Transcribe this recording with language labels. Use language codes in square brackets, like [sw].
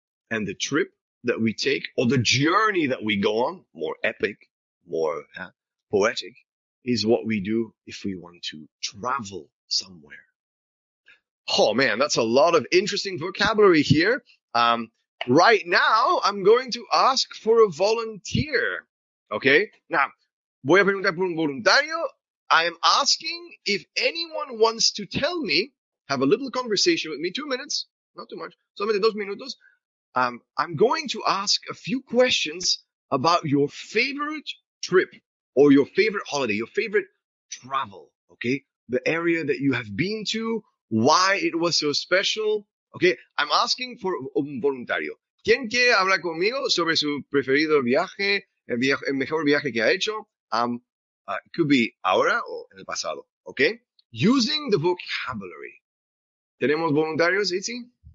[en] And the trip that we take, or the journey that we go on, more epic, more poetic, is what we do if we want to travel somewhere. Oh man, that's a lot of interesting vocabulary here. Right now, I'm going to ask for a volunteer. Okay, now, [es] voy a preguntar por un voluntario. [en] I am asking if anyone wants to tell me, have a little conversation with me, 2 minutes. Not too much. [es] Solamente dos minutos. [en] I'm going to ask a few questions about your favorite trip or your favorite holiday, your favorite travel, okay? The area that you have been to, why it was so special, okay? I'm asking for [es] un voluntario. ¿Quién quiere hablar conmigo sobre su preferido viaje, el mejor viaje que ha hecho? [en] It could be [es] ahora o en el pasado, okay? [en] Using the vocabulary. [es] ¿Tenemos voluntarios, [en] Itzi?